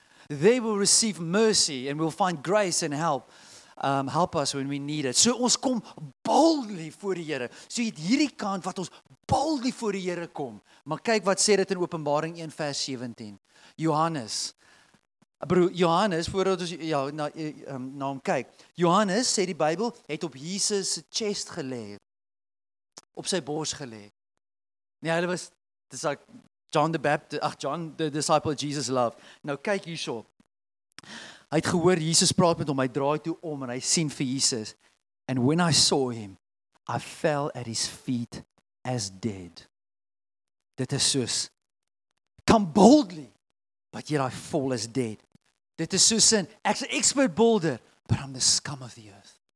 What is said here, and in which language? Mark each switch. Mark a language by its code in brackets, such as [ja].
[en] They will receive mercy and will find grace and help. Help us when we need it. [af] So ons kom boldly voor die Here. So jy het hierdie kant wat ons boldly voor die Here kom. Maar kyk wat sê dit in Openbaring 1 vers 17. Johannes. Broer Johannes, voordat ons na hom kyk. Johannes, sê die Bybel, het op Jesus se chest gelê. Op sy bors gelê. Nee, hulle was, dis [en] like John the Baptist, John the disciple Jesus love. [af] Nou kyk hierso. Hy het gehoor Jesus praat met hom, hy draai toe om en hy sien vir Jesus. [en] And when I saw him, I fell at his feet as dead. [af] Dit is soos, [en] come boldly, but yet I fall as dead. [af] Dit is soos in, ek's [en] an expert builder, but I'm the scum of the earth.